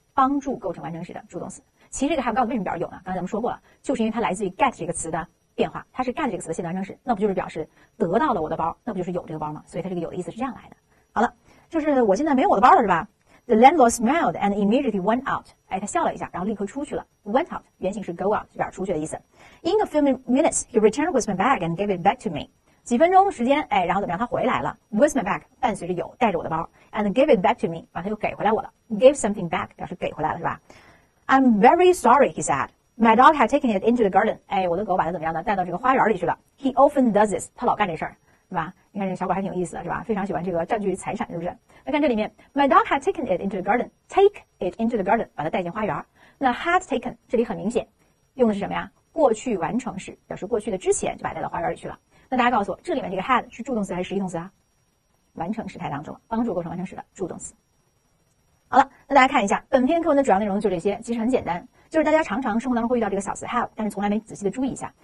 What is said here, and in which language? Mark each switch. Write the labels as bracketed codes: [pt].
[zh] 帮助构成完成时的助动词。其实这个 have got 为什么表示有呢？刚才咱们说过了，就是因为它来自于 get 这个词的变化，它是 get 这个词的现在完成时，那不就是表示得到了我的包，那不就是有这个包吗？所以它这个有的意思是这样来的。好了，就是我现在没有我的包了是吧？ [en] The landlord smiled and immediately went out。 [zh] 哎，他笑了一下然后立刻出去了。 went out 原型是 go out， 就表示出去的意思。 [en] In a few minutes he returned with my bag and gave it back to me。 [zh] 几分钟时间，哎，然后怎么样，他回来了。 [en] with my bag [zh] 伴随着有，带着我的包。 [en] and give it back to me [zh] 把它又给回来我了。 give something back 表示给回来了是吧。 [en] I'm very sorry he said my dog had taken it into the garden。 [zh] 哎，我的狗把它怎么样呢，带到这个花园里去了。 [en] he often does this [zh] 他老干这事儿，是吧？你看这个小狗还挺有意思的是吧，非常喜欢这个占据财产，是不是？那看这里面 [en] my dog had taken it into the garden， take it into the garden [zh] 把它带进花园。那 had taken 这里很明显用的是什么呀？过去完成时，表示过去的之前就把它带到花园里去了。那大家告诉我，这里面这个 had 是助动词还是实义动词啊？完成时态当中，帮助构成完成时的助动词。好了，那大家看一下本篇课文的主要内容就这些，其实很简单，就是大家常常生活当中会遇到这个小词 have， 但是从来没仔细的注意一下。